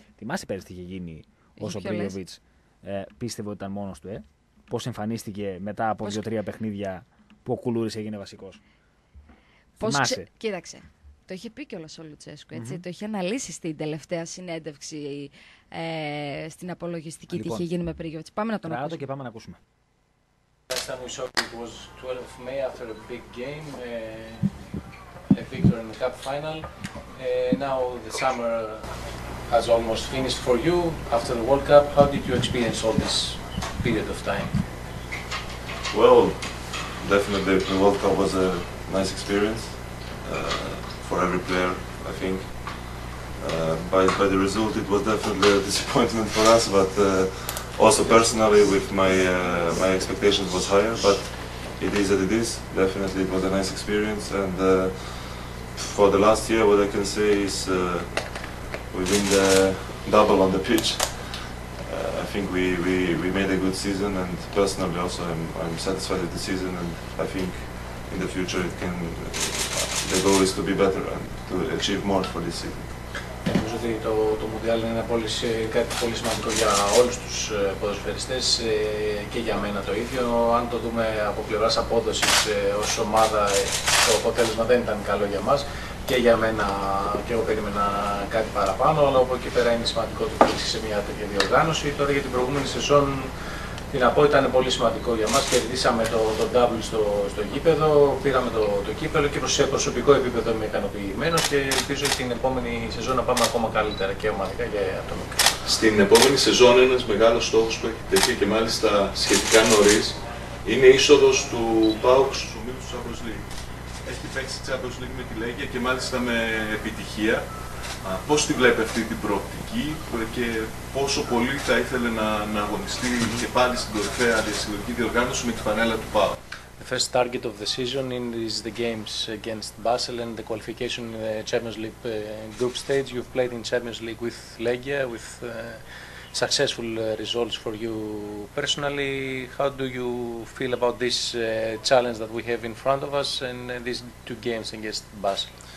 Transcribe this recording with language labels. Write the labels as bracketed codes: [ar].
[el] Θυμάσαι πέρυσι τι είχε γίνει όσο ο Πρίγιοβιτς πίστευε ότι ήταν μόνος του, πώς εμφανίστηκε μετά από 2-3 παιχνίδια που ο Κουλούρης έγινε βασικός. Θυμάσαι. Κοίταξε. το είχε πει κιόλας ο Λουτσέσκου, έτσι, mm-hmm. το είχε αναλύσει στην τελευταία συνέντευξη στην απολογιστική τι είχε γίνει με Πρίγιοβιτς. Πάμε να τον ακούσουμε. Και πάμε να ακούσουμε. [en] Last time we saw it was 12 May after a big game, a victory in the cup final. Now the summer has almost finished for you after the World Cup. How did you experience all this period of time? Well, definitely the World Cup was a nice experience for every player, I think. By the result, it was definitely a disappointment for us, but also personally, with my expectations was higher, but it is what it is. Definitely, it was a nice experience, and for the last year, what I can say is we win the double on the pitch. I think we made a good season, and personally, also I'm satisfied with the season, and I think in the future it can the goal is to be better and to achieve more for this season. [el] Νομίζω ότι το Μουντιάλ είναι κάτι πολύ σημαντικό για όλους τους ποδοσφαιριστές και για μένα το ίδιο. Αν το δούμε από πλευράς απόδοσης ως ομάδα, το αποτέλεσμα δεν ήταν καλό για μας και για μένα και εγώ περίμενα κάτι παραπάνω, αλλά από εκεί πέρα είναι σημαντικό το ότι σε μια τέτοια διοργάνωση. Τώρα για την προηγούμενη σεζόν, τι να πω, ήταν πολύ σημαντικό για μας. Κερδίσαμε το double στο γήπεδο, πήραμε το κύπελο και σε προσωπικό επίπεδο είμαι ικανοποιημένος και ελπίζω στην επόμενη σεζόν να πάμε ακόμα καλύτερα και ομαδικά και ατομικά. Στην επόμενη σεζόν ένας μεγάλος στόχος που έχει τεθεί και μάλιστα σχετικά νωρίς είναι η είσοδος του ΠΑΟΚ στους ομίλους του Champions League. Έχει παίξει Champions League με τη Λέγκια και μάλιστα με επιτυχία. Πώς τη βλέπει αυτή την προοπτική και πόσο πολύ θα ήθελε να αγωνιστεί και πάλι στην κορυφαία διασυλλογική διοργάνωση με τη φανέλα του ΠΑΟΚ. [en] The first target of the season is the games against Basel and the qualification in the Champions League group stage. You've played in Champions League with Legia, with successful results for you personally. How do you feel about this challenge that we have in front of us and these two games against Basel?